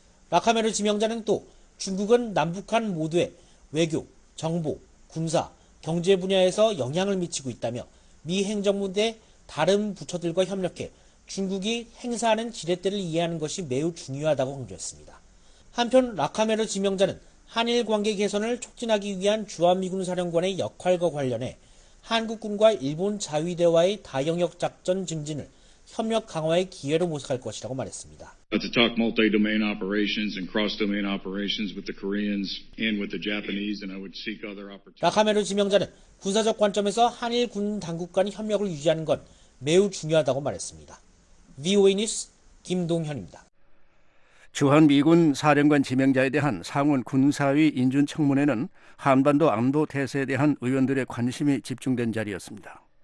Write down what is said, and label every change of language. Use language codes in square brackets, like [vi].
[ko] 라카메르 지명자는 또 중국은 남북한 모두의 외교, 정보, 군사, 경제 분야에서 영향을 미치고 있다며 미 행정부 대 다른 부처들과 협력해 중국이 행사하는 지렛대를 이해하는 것이 매우 중요하다고 강조했습니다. 한편 라카메르 지명자는 한일 관계 개선을 촉진하기 위한 주한미군 사령관의 역할과 관련해 한국군과 일본 자위대와의 다영역 작전 증진을 협력 강화의 기회로 모색할 것이라고 말했습니다. [en] To talk multi-domain operations and cross-domain operations with the Koreans and with the Japanese, and I would seek other opportunities. [ko] 라카메르 지명자는 군사적 관점에서 한일 군 당국 간 협력을 유지하는 건 매우 중요하다고 말했습니다. VOA 뉴스 김동현입니다. 주한 미군 사령관 지명자에 대한 상원 군사위 인준 청문회는 한반도 안보 태세에 대한 의원들의 관심이 집중된 자리였습니다.